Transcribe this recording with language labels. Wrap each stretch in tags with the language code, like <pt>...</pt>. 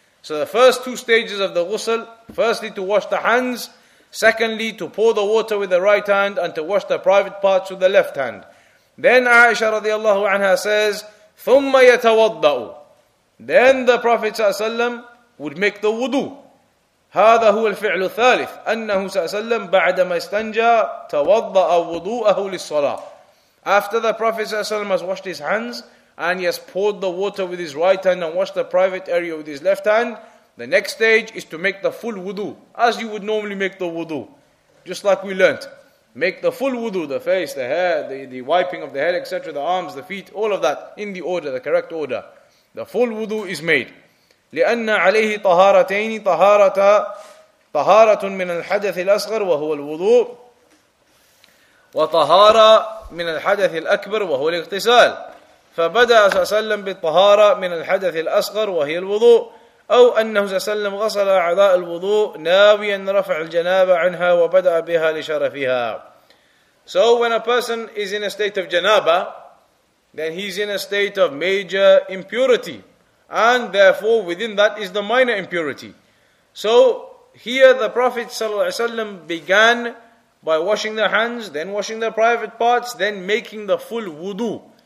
<en>So the first two stages of the ghusl, firstly to wash the hands, secondly to pour the water with the right hand and to wash the private parts with the left hand. Then Aisha radiallahu anha says,</en> <ar>ثُمَّ يَتَوَضَّأُ.</ar> <en>Then the Prophet ﷺ would make the wudu.</en> <ar>هذا هو الفعل الثالث أنه ﷺ بعدما استنجى توضأ وضوءه للصلاة.</ar> <en>After the Prophet ﷺ has washed his hands and he has poured the water with his right hand and washed the private area with his left hand, the next stage is to make the full wudu, as you would normally make the wudu, just like we learnt. Make the full wudu, the face, the hair, the wiping of the head, etc., the arms, the feet, all of that in the order, the correct order. The full wudu is made.</en> <ar>لِأَنَّ عَلَيْهِ طَهَارَتَيْنِ طَهَارَةٌ مِنَ الْحَدَثِ الْأَصْغَرِ وَهُوَ الْوُضُوءِ وَطَهَارَةٌ مِنَ الْحَدَثِ الْأَكْبَرِ وَهُوَ الْإِغْتِسَالِ فَبَدَأَ صلى الله عليه وسلم بالطهارة من الحدث الأصغر وهي الوضوء أو أنه صلى الله عليه وسلم غسل أعضاء الوضوء ناويا رفع الجنابة عنها وبدأ بها لشرفها.</ar> <en>So when a person is in a state of janaba, then he's in a state of major impurity, and therefore within that is the minor impurity. So here the Prophet ﷺ began by washing the hands, then washing the private parts, then making the full wudu.</en>